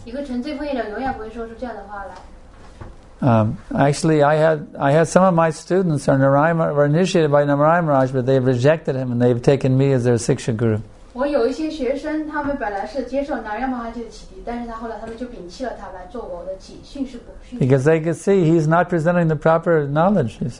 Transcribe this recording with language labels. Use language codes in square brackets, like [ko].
[zh] 一个纯粹奉献者永远不会说出这样的话来。 [en] Actually, I had some of my students are Narayana, were initiated by Narayana Maharaj, but they've rejected him and they've taken me as their siksha guru. [zh] 我有一些学生，他们本来是接受南岳马哈吉的启迪，但是他后来他们就摒弃了他，来做我的训士。 [en] Because they could see he's not presenting the proper knowledge.